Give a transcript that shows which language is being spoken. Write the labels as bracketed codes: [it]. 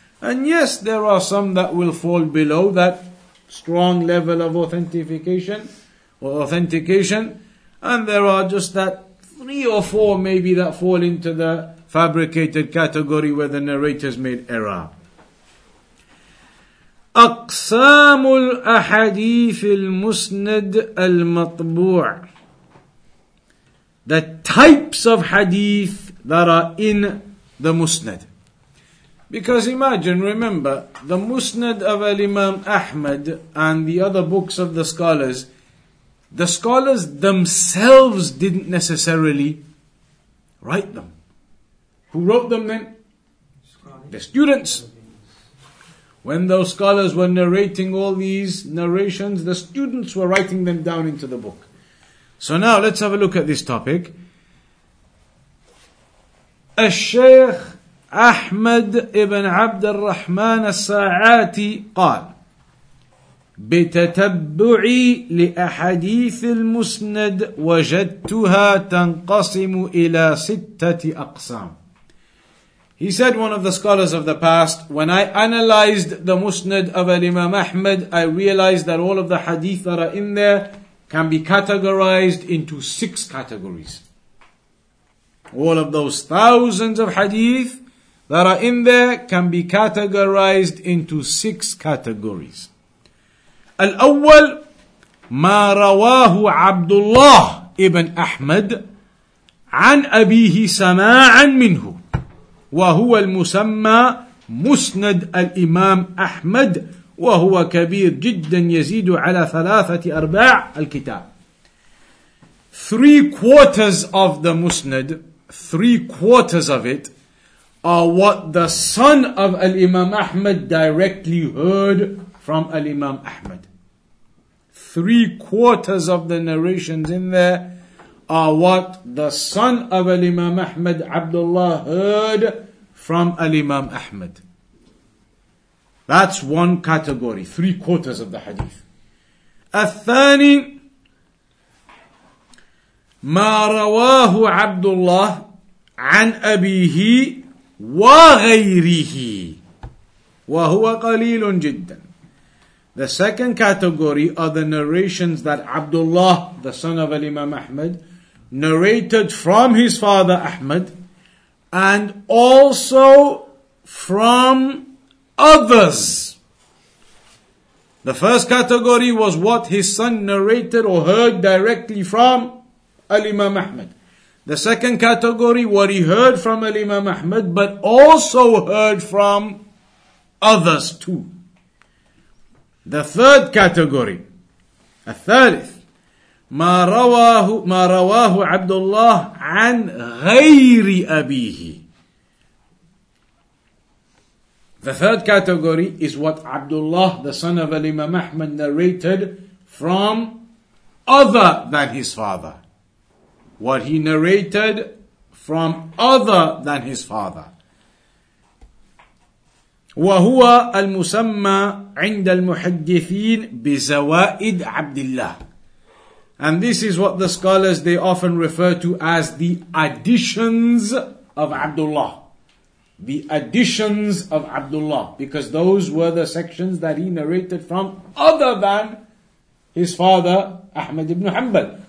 [en] And yes, there are some that will fall below that strong level of authentication, and there are just that three or four maybe that fall into the fabricated category where the narrators made error. [ar] أقسام الأحاديث المسند المطبوع. [en] The types of hadith that are in the Musnad. Because imagine, remember, the Musnad of Imam Ahmad and the other books of the scholars themselves didn't necessarily write them. Who wrote them then? The students. When those scholars were narrating all these narrations, the students were writing them down into the book. So now let's have a look at this topic. [ar] الشيخ أحمد ابن عبد الرحمن الساعاتي قال بتتبعي لأحاديث المسند وجدتها تنقسم إلى ستة أقسام. [en] He said, one of the scholars of the past, when I analyzed the Musnad of Imam Ahmad, I realized that all of the hadith that are in there can be categorized into six categories. All of those thousands of hadith that are in there can be categorized into six categories. [ar] Al-awwal, ma rawahu Abdullah ibn Ahmad an abihi sama'an minhu. وهو المسمى مسند الإمام أحمد وهو كبير جدا يزيد على ثلاثة أرباع الكتاب. [en] Three quarters of the Musnad, three quarters of it, are what the son of Imam Ahmad directly heard from Imam Ahmad. Three quarters of the narrations in there are what the son of Imam Ahmad, Abdullah, heard from Imam Ahmad. That's one category, three quarters of the hadith. [ar] الثاني ما رواه عبد الله عن أبيه وغيره وهو قليل جدا. [en] The second category are the narrations that Abdullah, the son of Imam Ahmad, narrated from his father Ahmad, and also from others. The first category was what his son narrated or heard directly from Imam Ahmad. The second category, what he heard from Imam Ahmad, but also heard from others too. The third category, [ar] الثالث, ما رواه عبد الله عن غير أبيه. [en] The third category is what Abdullah, the son of Imam Ahmad, narrated from other than his father. What he narrated from other than his father. [ar] وهو المسمى عند المحدثين بزوائد عبد الله. [en] And this is what the scholars, they often refer to as the additions of Abdullah. The additions of Abdullah. Because those were the sections that he narrated from other than his father, Ahmad ibn Hanbal.